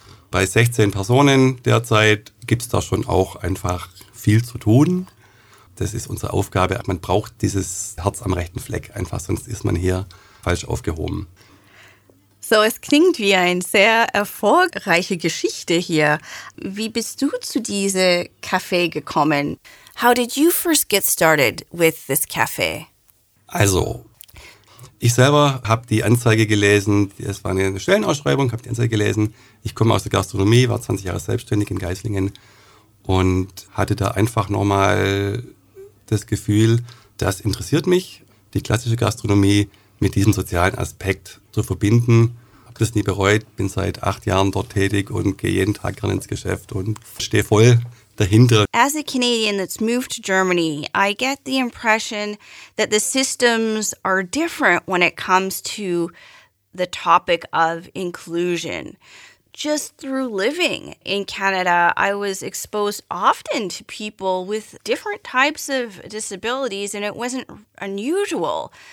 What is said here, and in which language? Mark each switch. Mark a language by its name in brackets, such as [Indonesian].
[German] Bei 16 Personen derzeit gibt es da schon auch einfach viel zu tun. Das ist unsere Aufgabe. Man braucht dieses Herz am rechten Fleck einfach, sonst ist man hier falsch aufgehoben. So, es klingt wie eine sehr erfolgreiche Geschichte hier. Wie bist du zu diesem Café gekommen? [English] How did you first get started with this cafe? [German] Also, ich selber habe die Anzeige gelesen. Es war eine Stellenausschreibung, habe die Anzeige gelesen. Ich komme aus der Gastronomie, war 20 Jahre selbstständig in Geislingen und hatte da einfach nochmal das Gefühl, das interessiert mich, die klassische Gastronomie mit diesem sozialen Aspekt zu verbinden. Habe das nie bereut, bin seit 8 Jahren dort tätig und gehe jeden Tag gerne ins Geschäft und stehe voll dahinter. [English] As a Canadian that's moved to Germany, I get the impression that the systems are different when it comes to the topic of inclusion. Just through living in Canada, I was exposed often to people with different types of disabilities, and it wasn't unusual.